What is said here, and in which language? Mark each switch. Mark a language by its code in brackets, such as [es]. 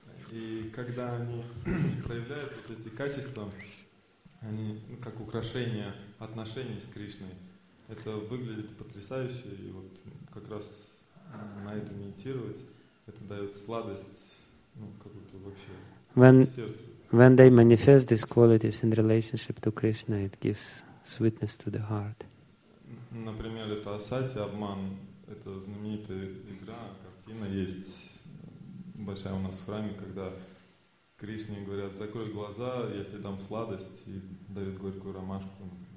[ru] И когда они проявляют вот эти качества, они как украшение отношений с Кришной, это выглядит потрясающе, и вот как раз на это медитировать. Это дает сладость, ну, как будто вообще сердце. [en] When they manifest these qualities in relationship to Krishna, it gives sweetness to the heart. [ru] Например, это асати, обман, это знаменитая игра, картина есть большая у нас в храме, когда Кришне говорят, закроешь глаза, я тебе дам сладость, и дают горькую ромашку.